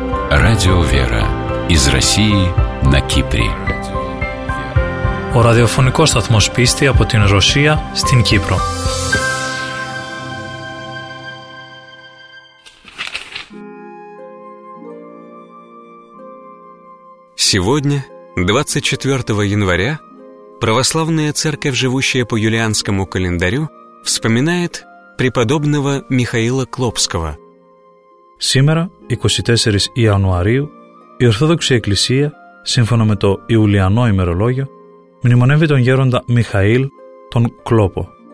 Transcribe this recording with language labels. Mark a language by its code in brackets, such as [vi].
[ru] Радио «Вера» из России на Кипре. [el] Ο ραδιοφωνικός σταθμός πίστη από την Ρωσία στην Κύπρο. [ru] Сегодня, 24 января, православная церковь, живущая по юлианскому календарю, вспоминает преподобного Михаила Клопского. [el] Σήμερα, 24 Ιανουαρίου, η Ορθόδοξη Εκκλησία, σύμφωνα με το Ιουλιανό ημερολόγιο, μνημονεύει τον γέροντα Μιχαήλ τον Κλόπο.